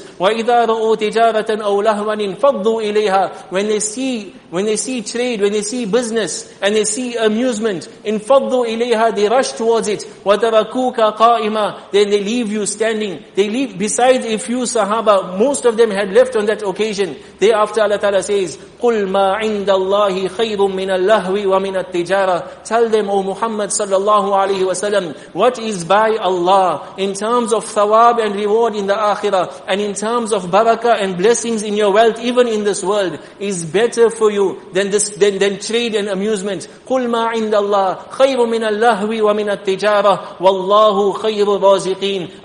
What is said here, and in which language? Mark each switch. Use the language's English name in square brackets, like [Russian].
[Arabic] وَإِذَا رَأُوا تِجَارَةً أَوْ لَهْوَنٍ فَضُّوا إِلَيْهَا. [English] When they see trade, when they see business, and they see amusement, in [Arabic] فَضُّوا إِلَيْهَا, [English] they rush towards it. [Arabic] وَتَرَكُوكَ قَائِمًا. [English] Then they leave you standing. They leave, besides a few sahaba, most of them had left on that occasion. Thereafter, Allah Ta'ala says, [Arabic] قُلْ مَا عِنْدَ اللَّهِ خَيْرٌ مِّنَ اللَّهْوِ وَمِنَ التِّجَارَةِ. [English] Tell them, O Muhammad sallallahu alayhi wa sallam, what is by Allah in terms of thawab and reward in the akhirah, and in terms of barakah and blessings in your wealth, even in this world, is better for you than trade and amusement. [Arabic] قُلْ مَا عِنْدَ اللَّهِ خَيْرٌ مِّنَ اللَّهْوِ وَمِنَ التِّجَارَةِ وَاللَّهُ خَيْرُ الرَّازِقِينَ.